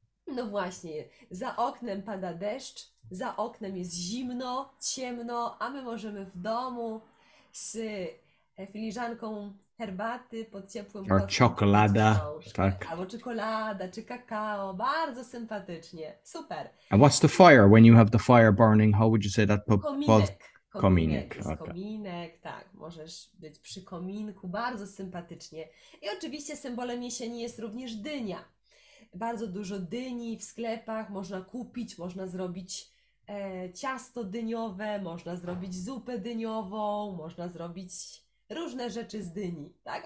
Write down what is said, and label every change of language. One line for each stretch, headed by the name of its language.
Polish: No właśnie, za oknem pada deszcz, za oknem jest zimno, ciemno, a my możemy w domu z filiżanką herbaty pod ciepłym
English: Or
Polish: kocem pod czekolada, książkę, tak. albo czekolada, czy kakao. Bardzo sympatycznie. Super.
English: And what's the fire when you have the fire burning? How would you say that po
Polish: Kominek. kominek, Kominek, jest
English: okay.
Polish: kominek, tak, możesz być przy kominku, bardzo sympatycznie. I oczywiście symbolem jesieni jest również dynia. Bardzo dużo dyni w sklepach, można kupić, można zrobić ciasto dyniowe, można zrobić zupę dyniową, można zrobić różne rzeczy z dyni, tak?